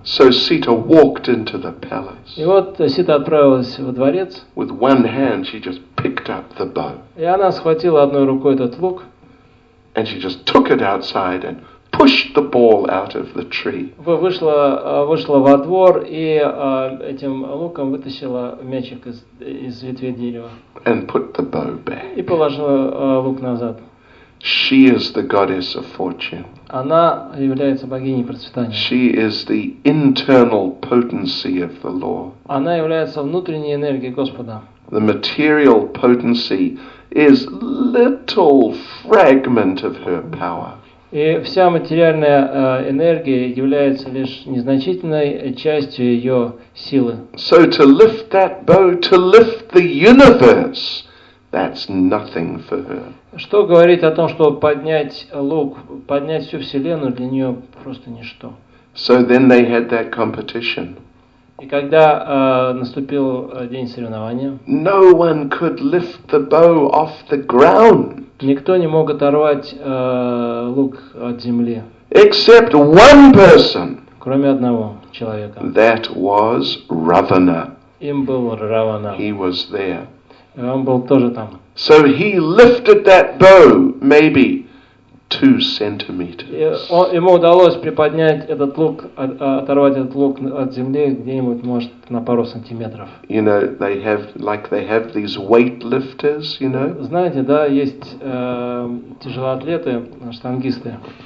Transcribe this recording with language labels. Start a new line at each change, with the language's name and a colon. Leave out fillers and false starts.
English: So Sita walked into the palace.
Russian: И вот Сита отправилась во дворец.
English: With one hand, she just picked up the bow.
Russian: И она схватила одной рукой этот лук.
English: And she just took it outside and pushed the ball out of the tree.
Russian: Вышла во двор и этим луком вытащила мячик из ветвей дерева.
English: And put the bow back.
Russian: И положила лук назад.
English: She is the goddess of fortune.
Russian: Она является богиней процветания.
English: She is the internal potency of the law.
Russian: Она является внутренней энергией Господа.
English: The material potency is little fragment of her power.
Russian: И вся материальная энергия является лишь незначительной частью ее силы.
English: So to lift that bow, to lift the universe, that's nothing for her.
Russian: Что говорить о том, что поднять лук, поднять всю вселенную для нее просто ничто.
English: So then they had that competition.
Russian: И когда наступил день соревнования,
English: no one could lift the bow off the ground.
Russian: Никто не мог оторвать лук от земли.
English: Except one person.
Russian: Кроме одного человека.
English: That was Ravana.
Russian: Им был Равана.
English: He was there.
Russian: Он был тоже там.
English: So he lifted that bow maybe 2 centimeters.
Russian: Ему удалось приподнять этот лук, оторвать этот лук от земли где-нибудь, может, на пару сантиметров.
English: You know, they have like they have these weightlifters, you know?
Russian: Знаете, да, есть тяжелоатлеты, штангисты.